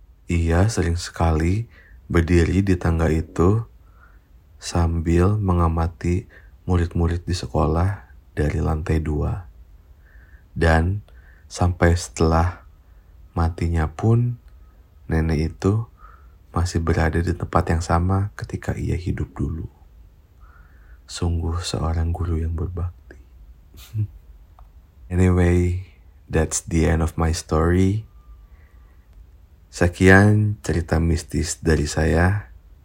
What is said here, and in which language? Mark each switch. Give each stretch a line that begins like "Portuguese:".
Indonesian: Ia sering sekali berdiri di tangga itu sambil mengamati murid-murid di sekolah dari lantai 2. Dan sampai setelah matinya pun, nenek itu masih berada di tempat yang sama ketika ia hidup dulu. Sungguh seorang guru yang berbakti.
English: Anyway, that's the end of my story.
Indonesian: Sekian cerita mistis dari saya.